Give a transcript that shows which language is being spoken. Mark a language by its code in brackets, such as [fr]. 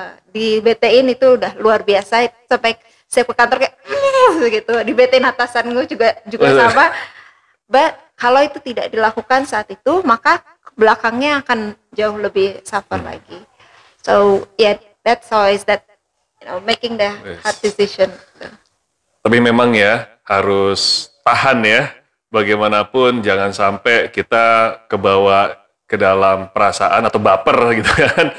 [id] Di BT-in itu udah luar biasa. Sampai saya ke kantor kayak gitu. Di BT-in atasan gue juga sama. But kalau itu tidak dilakukan saat itu, maka belakangnya akan jauh lebih suffer lagi. [en] So yeah, that's always that, you know, making the hard decision. [id] Tapi memang ya, harus tahan ya, bagaimanapun jangan sampai kita kebawa ke dalam perasaan atau baper gitu kan.